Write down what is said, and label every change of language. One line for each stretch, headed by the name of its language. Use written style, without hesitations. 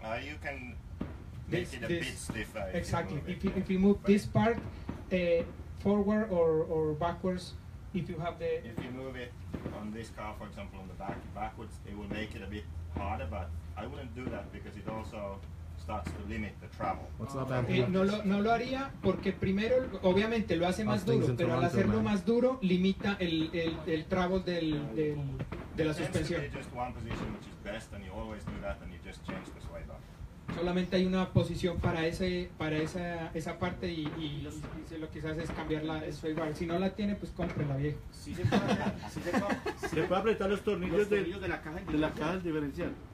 English: You can make it a bit stiffer. Exactly. If you move this part forward or backwards, if you have the... If you move it on this car, for example, on the back backwards, it would make it a bit harder, but I wouldn't do that because it also starts to limit the travel. What's up, Abby?
Spanish: No lo haría porque primero, obviamente, lo hace más duro, pero al hacerlo más duro, limita el travel de la suspensión.
English: It's just one position which is best, and you always do that, and you just change the sway bar.
Spanish: Solamente hay una posición para esa parte y lo que se hace es cambiar la sway bar. Si no la tiene, pues cómprela, viejo. Sí, se puede apretar los tornillos de la caja del diferencial.